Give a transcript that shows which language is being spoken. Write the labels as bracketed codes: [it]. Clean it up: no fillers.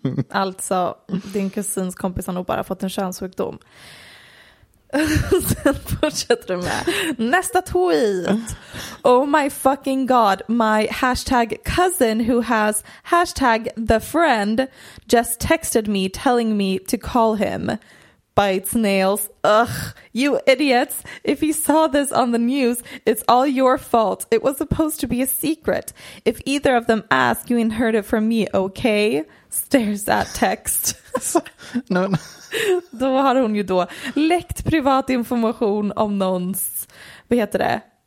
[sv] Alltså, din kusins kompis har nog bara fått en könssjukdom. Sen fortsätter du med nästa tweet. [en] Oh my fucking god, my hashtag cousin who has hashtag the friend just texted me telling me to call him. Bites nails. Ugh, you idiots. If he saw this on the news, it's all your fault. It was supposed to be a secret. If either of them ask, you ain't heard it from me, okay? Stares at text. No. [sv] Då har hon ju då läckt privat information om någons, vad heter det?